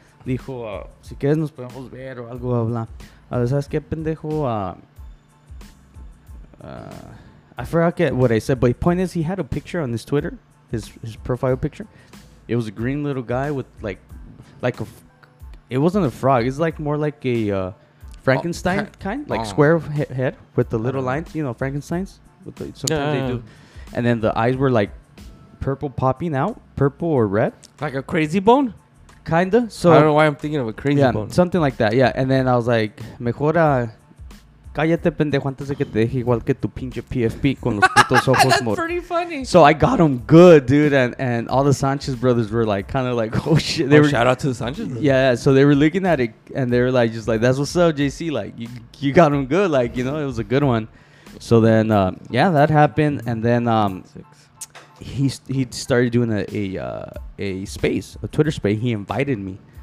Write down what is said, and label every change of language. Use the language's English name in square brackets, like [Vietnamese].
[Spanish] Dijo, si quieres nos podemos ver o algo, habla. ¿Sabes qué, pendejo? [English] I forgot what I said, but the point is, he had a picture on his Twitter, his profile picture. It was a green little guy with like a, it wasn't a frog, it's like more like a Frankenstein square head with the little lines, you know, Frankenstein's. They do. And then the eyes were like purple popping out, purple or red. Like a crazy bone? Kinda. So I don't know why I'm thinking of a crazy bone. Something like that, yeah. And then I was like, mejor [Spanish] Cállate, pendejo, antes de que te deje igual que tu pinche PFP con los putos ojos. [English] That's pretty funny. So I got him good, dude, and all the Sanchez brothers were like, kind of like, oh shit. They were, shout out to the Sanchez brothers. Yeah, so they were looking at it, and they were like, just like, that's what's up, JC. Like, you got him good. Like, you know, it was a good one. So then, yeah, that happened, and then he started doing a space, a Twitter space. He invited me.